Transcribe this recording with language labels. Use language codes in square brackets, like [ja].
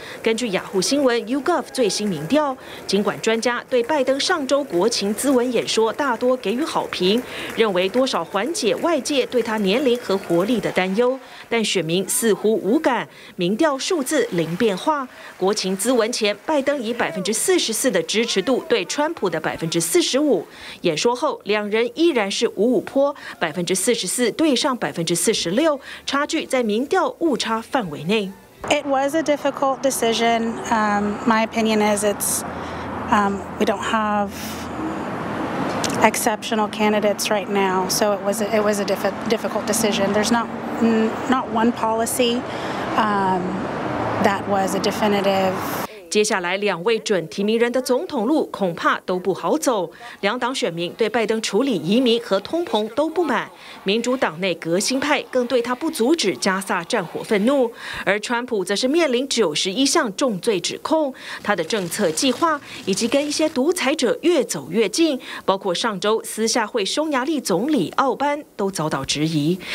[zh] 根据雅虎新闻 YouGov 最新民调，尽管专家对拜登上周国情咨文演说大多给予好评，认为多少缓解外界对他年龄和活力的担忧，但选民似乎无感，民调数字零变化。国情咨文前，拜登以44%的支持度对川普的45%，演说后两人依然是5-5，44%对上46%，差距在民调误差范围内。 [en] It was a difficult decision. My opinion is it's we don't have exceptional candidates right now, so it was a difficult decision. There's not one policy that was a definitive. [zh] 接下来两位准提名人的总统路恐怕都不好走，两党选民对拜登处理移民和通膨都不满，民主党内革新派更对他不阻止加萨战火愤怒，而川普则是面临91项重罪指控，他的政策计划以及跟一些独裁者越走越近，包括上周私下会匈牙利总理奥班都遭到质疑。